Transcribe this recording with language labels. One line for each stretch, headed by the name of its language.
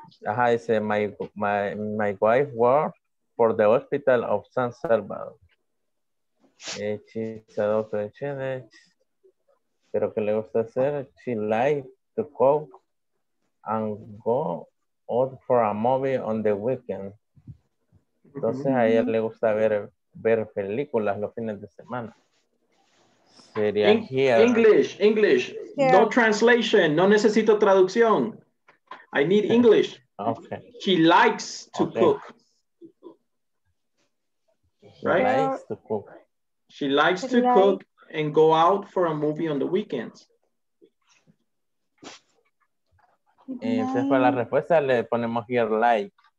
Spanish: Ajá, dice
English: my wife worked for the hospital of San Salvador. She's a doctor.
Spanish: Pero que le gusta hacer.
English: She likes to cook and go out for a movie on the weekend.
Spanish: Entonces mm-hmm. a ella le gusta ver películas los fines de semana. Sería
English: here.
Spanish: English. Yeah. No translation. No necesito traducción. I need English.
English: Okay. She likes to cook. She likes to cook and go out for a movie on the weekends.
Spanish: Esa fue la respuesta, le ponemos
English: here like.